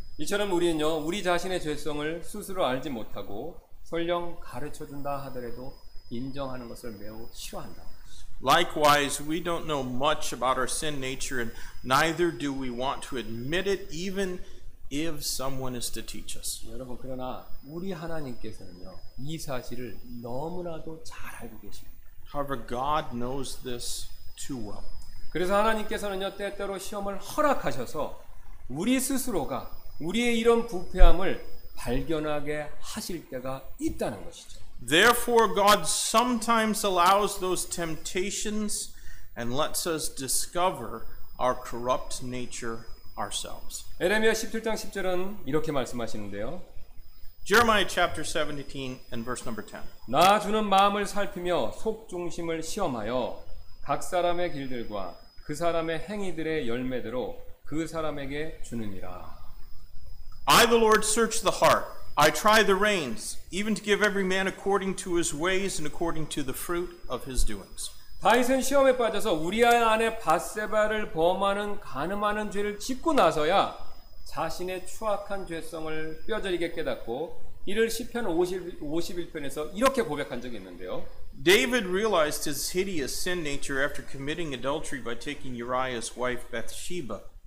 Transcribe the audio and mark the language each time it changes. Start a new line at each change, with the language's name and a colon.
Korean: 이처럼 우리는요, 우리 자신의 죄성을 스스로 알지 못하고 설령 가르쳐 준다 하더라도 인정하는 것을 매우 싫어한다.
English: Likewise, we don't know much about our sin nature and neither do we want to admit it even if someone is to teach us.
Korean: 여러분, 그러나 우리 하나님께서는요, 이 사실을 너무나도 잘 알고 계십니다.
English: However, God knows this too well.
Korean: 그래서 하나님께서는요 때때로 시험을 허락하셔서 우리 스스로가 우리의 이런 부패함을 발견하게 하실 때가 있다는 것이죠.
English: Therefore, God sometimes allows those temptations and lets us discover our corrupt nature ourselves.
Korean: 예레미야 17장 10절은 이렇게 말씀하시는데요.
English: Jeremiah chapter 17 and verse number 10.
Korean: 나 주는 마음을 살피며 속 중심을 시험하여 각 사람의 길들과 그 사람의 행위들의 열매대로 그 사람에게 주느니라.
English: I the Lord search the heart. I try the reins, even to give every man according to his ways and according to the fruit of his doings.
Korean: 다윗은 시험에 빠져서 우리아 안에 밧세바를 범하는 간음하는 죄를 짓고 나서야 자신의 추악한 죄성을 뼈저리게 깨닫고 이를 시편 51편에서 이렇게 고백한 적이 있는데요.
English: David realized his hideous sin nature after committing adultery by taking Uriah's wife Bathsheba.